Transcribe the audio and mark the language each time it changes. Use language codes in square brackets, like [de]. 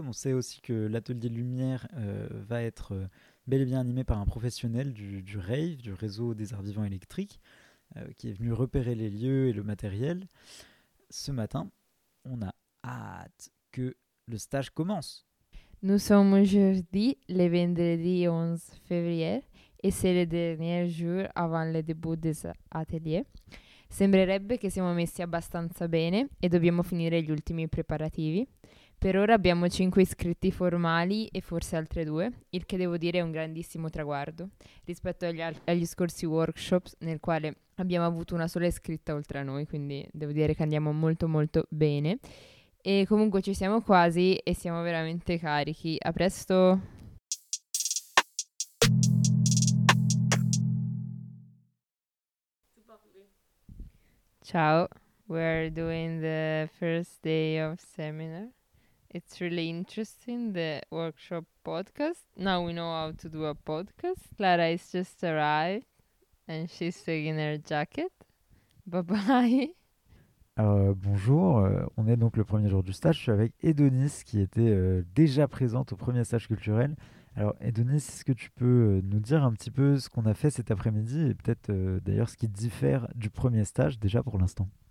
[fr] On sait aussi que l'atelier lumière va être bel et bien animé par un professionnel du RAVE, du réseau des arts vivants électriques, qui est venu repérer les lieux et le matériel. Ce matin, on a hâte que le stage commence. Nous sommes aujourd'hui, le vendredi 11 février, et c'est le dernier jour avant le début des ateliers. [it] Sembrerebbe che siamo messi abbastanza bene e dobbiamo finire gli ultimi preparativi. Per ora abbiamo 5 iscritti formali e forse altre 2, il che devo dire è un grandissimo traguardo rispetto agli scorsi workshops nel quale abbiamo avuto una sola iscritta oltre a noi, quindi devo dire che andiamo molto molto bene. E comunque ci siamo quasi e siamo veramente carichi. A presto! [en] Ciao, we're doing the first day of seminar. It's really interesting, the workshop podcast. Now we know how to do a podcast. Clara is just arrived and she's taking her jacket. Bye bye. [fr] Bonjour, on est donc le premier jour du stage. Je suis avec Edonis qui était déjà présente au premier stage culturel. Alors Edonis, est-ce que tu peux nous dire un petit peu ce qu'on a fait cet après-midi et peut-être d'ailleurs ce qui diffère du premier stage déjà pour l'instant?